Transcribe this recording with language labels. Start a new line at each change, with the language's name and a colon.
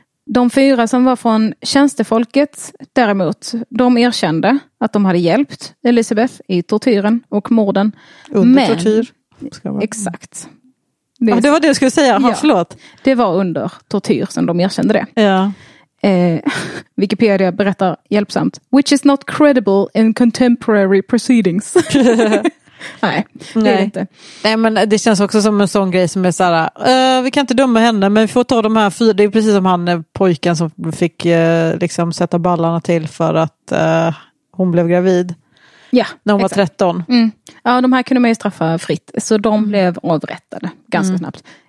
Swedish: De 4 som var från tjänstefolket däremot, de erkände att de hade hjälpt Elizabeth i tortyren och morden. Under tortyr. Exakt. Det var det jag skulle säga. Ja, förlåt. Det var under tortyr som de erkände det. Ja. Wikipedia berättar hjälpsamt.
English: Which is not credible in contemporary proceedings.
Swedish: Nej, det är inte. Nej, men det känns också som en sån grej som är såhär, vi kan inte döma henne, men vi får ta de här 4, det är precis som han pojken som fick liksom sätta ballarna till för att hon blev gravid. Ja, när hon var 13. Mm. Ja, de här kunde man ju straffa fritt, så de blev avrättade ganska snabbt.